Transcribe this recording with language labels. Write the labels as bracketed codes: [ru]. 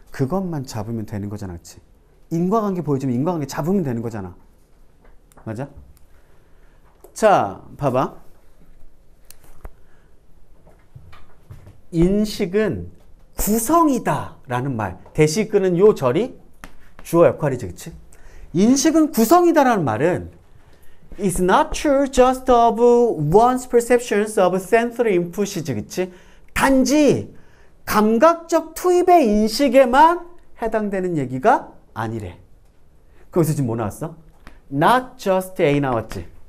[ko] 그것만 잡으면 되는 거잖아, 그치? 인과관계 보여주면 인과관계 잡으면 되는 거잖아. 맞아? 자, 봐봐. 인식은 구성이다 라는 말. 대시 끄는 요 절이 주어 역할이지, 그치? 인식은 구성이다 라는 말은 [en] It's not true just of one's perceptions of sensory input이지, 그치? [ko] 단지 감각적 투입의 인식에만 해당되는 얘기가 아니래. 거기서 지금 뭐 나왔어? Not just A 나왔지.